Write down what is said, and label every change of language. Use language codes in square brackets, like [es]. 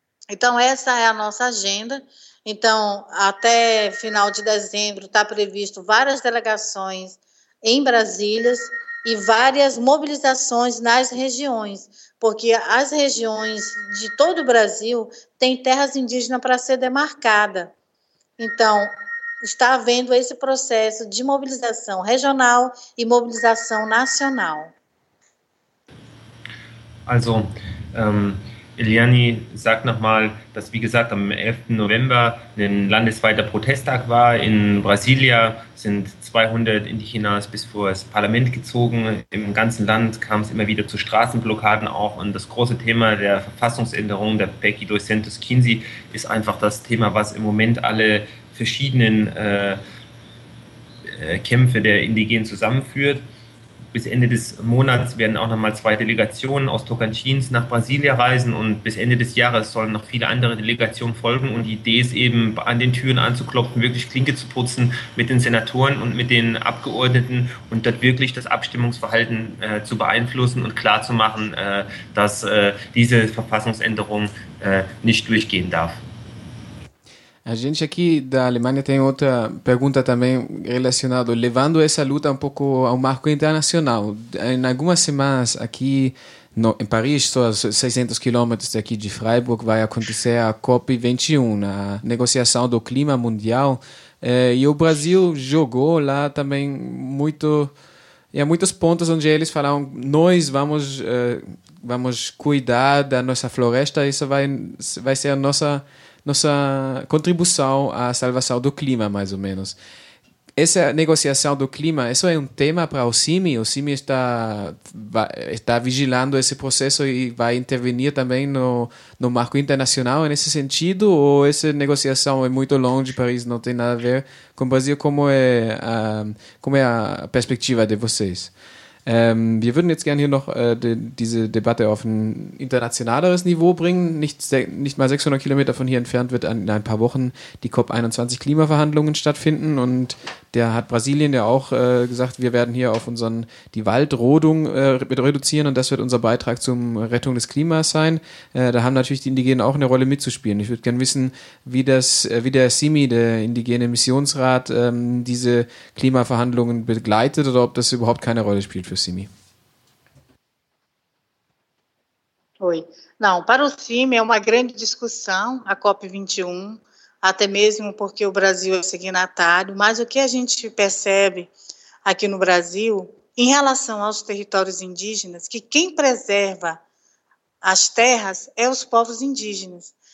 [pt] Então, essa é a nossa agenda. Então, até final de dezembro, está previsto várias delegações em Brasília e várias mobilizações nas regiões, porque as regiões de todo o Brasil têm terras indígenas para ser demarcada. Então, está havendo esse processo de mobilização regional e mobilização nacional. [de] Also, Eliane sagt nochmal, dass, wie gesagt, am 11. November ein landesweiter Protesttag war. In Brasilia sind 200 Indigenas bis vor das Parlament gezogen. Im ganzen Land kam es immer wieder zu Straßenblockaden auch. Und das große Thema der Verfassungsänderung der PEC 215 ist einfach das Thema, was im Moment alle verschiedenen Kämpfe der Indigenen zusammenführt. Bis Ende des Monats werden auch nochmal zwei Delegationen aus Tocantins nach Brasilien reisen und bis Ende des Jahres sollen noch viele andere Delegationen folgen und die Idee ist eben, an den Türen anzuklopfen, wirklich Klinke zu putzen mit den Senatoren und mit den Abgeordneten und dort wirklich das Abstimmungsverhalten zu beeinflussen und klarzumachen, dass diese Verfassungsänderung nicht durchgehen darf. [pt] A gente aqui da Alemanha tem outra pergunta também relacionada, levando essa luta um pouco ao marco internacional. Em algumas semanas aqui no, em Paris, só 600 quilômetros daqui de Freiburg, vai acontecer a COP21, a negociação do clima mundial. E o Brasil jogou lá também muito... E há muitos pontos onde eles falaram, nós vamos, vamos cuidar da nossa floresta, isso vai ser a nossa contribuição à salvação do clima, mais ou menos. Essa negociação do clima, isso é um tema para o CIMI? O CIMI está vigilando esse processo e vai intervenir também no marco internacional nesse sentido? Ou essa negociação é muito longe, Paris não tem nada a ver com o Brasil? Como é a perspectiva de vocês? [de] Wir würden jetzt gerne hier noch diese Debatte auf ein internationaleres Niveau bringen. Nicht mal 600 Kilometer von hier entfernt wird in ein paar Wochen die COP21 Klimaverhandlungen stattfinden. Und da hat Brasilien ja auch gesagt, wir werden hier auf die Waldrodung mit reduzieren und das wird unser Beitrag zur Rettung des Klimas sein. Da haben natürlich die Indigenen auch eine Rolle mitzuspielen. Ich würde gerne wissen, wie der CIMI, der Indigene Missionsrat, diese Klimaverhandlungen begleitet oder ob das überhaupt keine Rolle spielt. Für CIMI. [pt] Oi. Não, para o CIMI é uma grande discussão a COP21, até mesmo porque o Brasil é signatário, mas o que a gente percebe aqui no Brasil, em relação aos territórios indígenas, que quem preserva as terras é os povos indígenas.